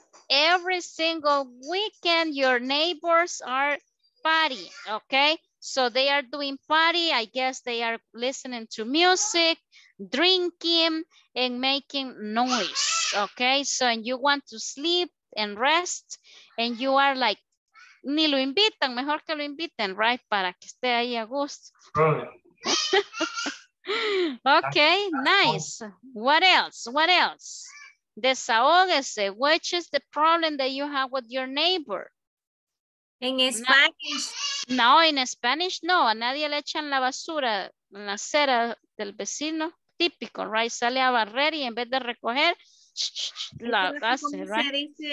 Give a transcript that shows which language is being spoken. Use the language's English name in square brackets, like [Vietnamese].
[English] Every single weekend, your neighbors are party, okay? So they are doing party. I guess they are listening to music, drinking, and making noise, okay? So and you want to sleep and rest, and you are like [Spanish] ni lo invitan, mejor que lo inviten, right? Para que esté ahí a gusto. [English] Okay, nice. What else? What else? [Spanish] Desahógese. [English] Which is the problem that you have with your neighbor? [Spanish] En Spanish. [English] No, in Spanish, no. [Spanish] A nadie le echan la basura en la acera del vecino. Típico, right? Sale a barrer y en vez de recoger, la hace, right?